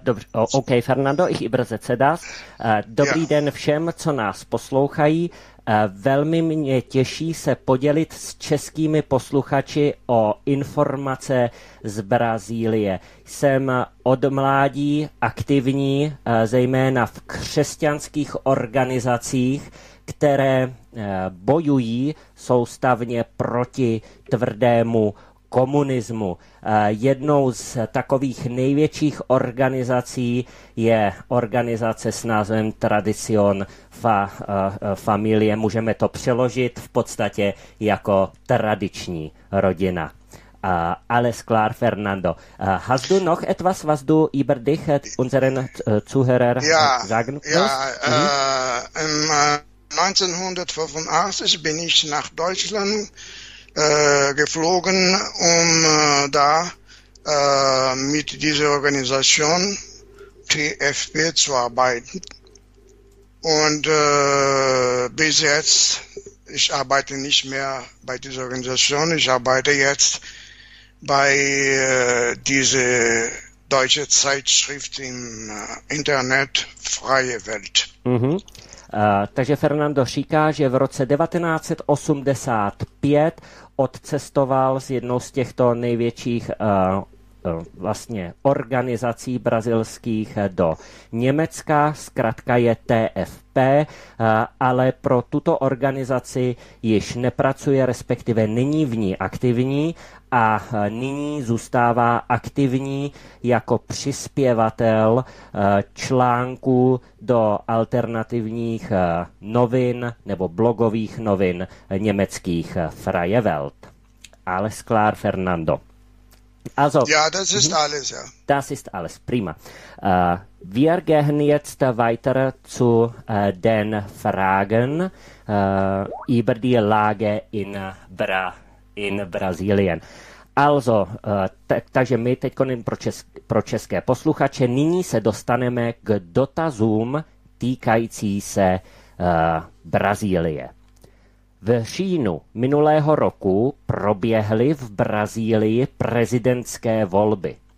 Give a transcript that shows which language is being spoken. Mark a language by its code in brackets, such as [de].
[de] Okay, Fernando, ich übersetze das. [cs] Dobrý den všem, co nás poslouchají. Velmi mě těší se podělit s českými posluchači o informace z Brazílie. Jsem od mládí aktivní, zejména v křesťanských organizacích, které bojují soustavně proti tvrdému komunismu. Jednou z takových největších organizací je organizace s názvem Tradicion Familie. Můžeme to přeložit v podstatě jako tradiční rodina. [de] Alles klar, Fernando. Hast du noch etwas, was du über dich unseren Zuhörer sagen willst? Ja, 1985 bin ich nach Deutschland geflogen, um da mit dieser Organisation TFP zu arbeiten. Und bis jetzt, ich arbeite nicht mehr bei dieser Organisation, ich arbeite jetzt bei dieser deutschen Zeitschrift im Internet Freie Welt. Mhm. [cs] Takže Fernando říká, že v roce 1985 odcestoval z jednou z těchto největších vlastně organizací brazilských do Německa, zkrátka je TFP, ale pro tuto organizaci již nepracuje, respektive není v ní aktivní a nyní zůstává aktivní jako přispěvatel článků do alternativních novin nebo blogových novin německých Freie Welt. [de] Alles klar, Fernando. Also, ja, das ist alles, ja. Das ist alles, prima. Wir gehen jetzt weiter zu den Fragen über die Lage in Brasilien. [cs] Also, takže my teď pro české posluchače, nyní se dostaneme k dotazům týkající se Brazílie. V říjnu minulého roku proběhly v Brazílii prezidentské volby.